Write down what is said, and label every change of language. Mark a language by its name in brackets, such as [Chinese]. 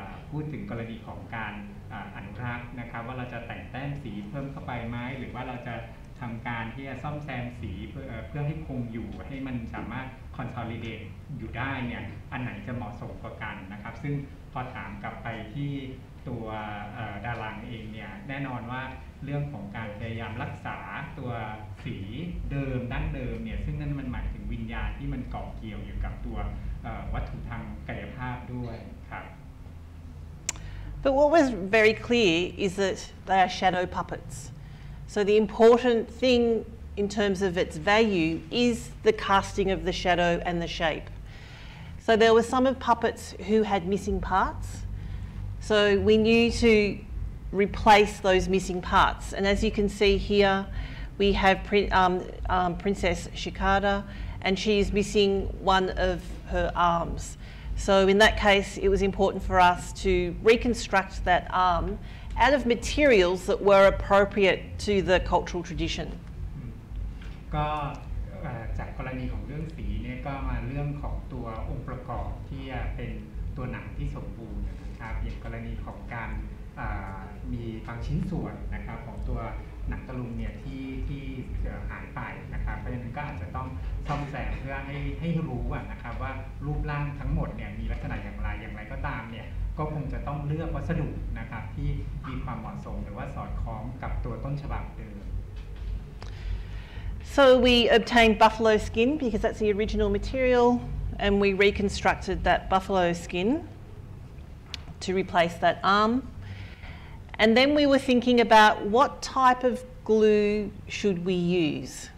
[Thai] พูดถึงกรณีของการอนุรักษ์นะครับว่าเราจะแต่งแต้มสีเพิ่มเข้าไปไหมหรือว่าเราจะทำการที่จะซ่อมแซมสีเพื่อให้คงอยู่ให้มันสามารถคอนโซลิเดตอยู่ได้เนี่ยอันไหนจะเหมาะสมกว่ากันนะครับซึ่งพอถามกลับไปที่ตัวดารังเองเนี่ยแน่นอนว่าเรื่องของการพยายามรักษาตัวสีเดิมดั้งเดิมเนี่ยซึ่งนั่นมันหมายถึงวิญญาณที่มันเกาะเกี่ยวอยู่กับตัววัตถุทางกายภาพด้วยครับ [English] But what was very clear is that they are shadow puppets. So the important thing in terms of its value is the casting of the shadow and the shape. So there were some of puppets who had missing parts. So we knew to replace those missing parts. And as you can see here, we have Princess Shikada, and she is missing one of her arms. So in that case, it was important for us to reconstruct that arm out of materials that were appropriate to the cultural tradition. [Thai] ก็จากกรณีของเรื่องสีเนี่ยก็มาเรื่องของตัวองค์ประกอบที่เป็นตัวหนังที่สมบูรณ์นะครับอย่างกรณีของการมีบางชิ้นส่วนนะครับของตัวหนังตะลุงเนี่ยที่หายไปนะครับเพราะฉะนั้นก็อาจจะต้องซ่อมแซมเพื่อให้รู้นะครับว่ารูปร่างทั้งหมดเนี่ยมีลักษณะอย่างไรอย่างไรก็ตามเนี่ยก็คงจะต้องเลือกวัสดุนะครับที่มีความเหมาะสมหรือว่าสอดคล้องกับตัวต้นฉบับเดิม [English] So we obtained buffalo skin because that's the original material and we reconstructed that buffalo skin to replace that armAnd then we were thinking about what type of glue should we use?